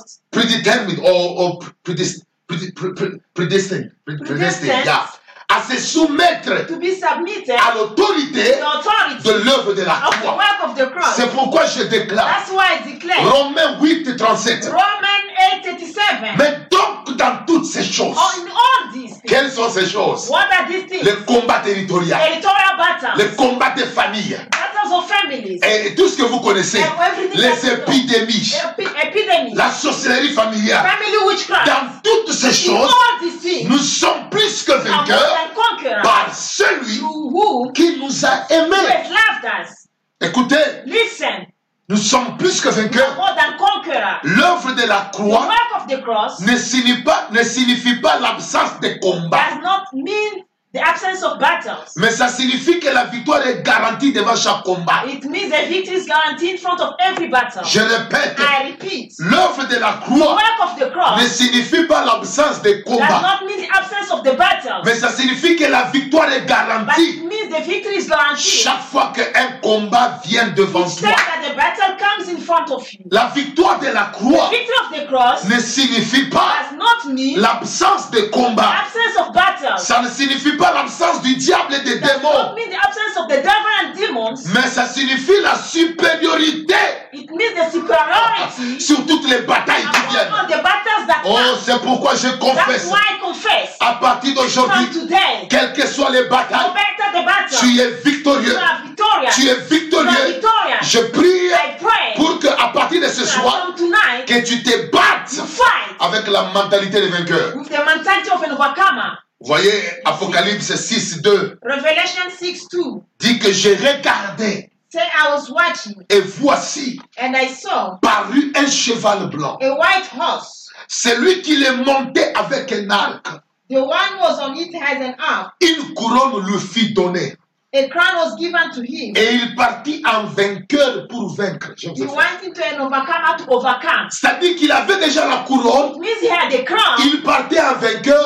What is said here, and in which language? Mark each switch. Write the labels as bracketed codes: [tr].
[en] Predetermined or predisposed. Predestined, yeah. [fr] À se soumettre [en] to be submitted [fr] à l'autorité de l'œuvre de la croix. [en] Of the work of the cross. [fr] C'est pourquoi je déclare. [en] That's why I declare. [fr] Romains 8, 37. [en] Romans 8, 37. [fr] Mais donc dans toutes ces choses. [en] Oh, in all these things. [fr] Quelles sont ces choses? [en] What are these things? [fr] Le combat territorial. [en] Territorial battles. [fr] Le combat des familles. [en] Battles of families. [fr] Et tout ce que vous connaissez. [en] Everything [fr] les épidémies. [en] Epidemies. [fr] La sorcellerie familiale. [en] Family witchcraft. [fr] Dans toutes ces choses. [en] In all these things. [fr] Nous sommes plus que vainqueurs. [en] And conqueror [fr] par celui qui nous a aimés. [en] Who has loved us. [fr] Écoutez. [en] Listen. [fr] Nous sommes plus que vainqueurs. [en] More than conquerors. [fr] L'œuvre de la croix, [en] the work of the cross, [fr] ne signifie pas l'absence de combat. [en] Does not mean the absence of battles. [fr] Mais ça signifie que la victoire est garantie devant chaque combat. [en] It means the victory is guaranteed in front of every battle. [fr] Je répète. [en] I repeat. [fr] L'œuvre de la croix, [en] the work of the cross, [fr] ne signifie pas l'absence de combat. [en] Does not mean the absence of the battles. [fr] Mais ça signifie que la victoire est garantie. [en] But it means the victory is guaranteed. [fr] Chaque fois qu'un combat vient devant toi. [en] It says that the battle comes in front of you. [fr] La victoire de la croix, [en] the victory of the cross, [fr] ne signifie pas, [en] does not mean [fr] l'absence de combat. [en] The absence of battles. [fr] Ça ne signifie pas l'absence du diable et des démons. [en] Does not mean the absence of the devil and demons. [fr] Mais ça signifie la supériorité. [en] It means the superiority [fr] sur toutes les batailles qui viennent. [en] All the battles that [fr] oh, c'est pourquoi je confesse. [en] That's why I confess. [fr] À partir d'aujourd'hui, [en] today, [fr] quelles que soient les batailles, [en] no matter the battle, [fr] tu es victorieux. [en] You are victorious. [fr] Tu es victorieux. [en] You are victorious. [fr] Je prie, [en] I pray, [fr] pour que à partir de ce soir, [en] tonight, [fr] que tu te battes, [en] you fight, [fr] avec la mentalité des vainqueurs. [en] With the mentality of an overcomer. [fr] Voyez, Apocalypse 6, 2. [en] Revelation 6, 2. [fr] Dit que j'ai regardé. [en] Say I was watching. [fr] Et voici. [en] And I saw. [fr] Paru un cheval blanc. [en] A white horse. [fr] Celui qui l'est monté avec un arc. [en] The one was on it has an arc. [fr] Une couronne lui fit donner. [en] A crown was given to him. [fr] Et il partit en vainqueur pour vaincre. [en] He went into an overcomer to overcome. [fr] C'est-à-dire qu'il avait déjà la couronne. [en] It means he had a crown. [fr] Il partait en vainqueur.